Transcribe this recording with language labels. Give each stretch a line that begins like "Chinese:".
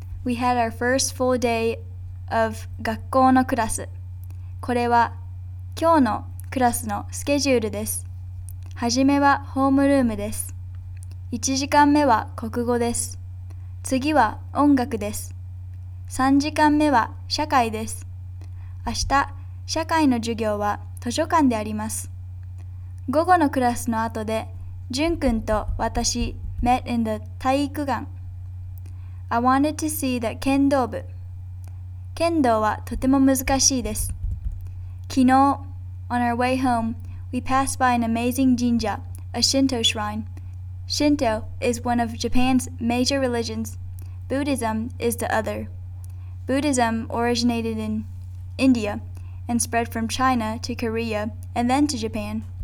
English: We had our first full day of
Japanese: 学校のクラス。これは今日のクラスのスケジュールです。はじめはホームルームです。1時間目は国語です。次は音楽です。3時間目は社会です。明日、社会の授業は図書館であります。午後のクラスの後で、ジュン君と私、
English: met in the
Japanese: 体育館。
English: I wanted to see the 剣道部。
Japanese: 剣道はとても難しいです。昨日、
English: on our way home, we passed by an amazing jinja, a Shinto shrine. Shinto is one of Japan's major religions. Buddhism is the other. Buddhism originated in India and spread from China to Korea and then to Japan.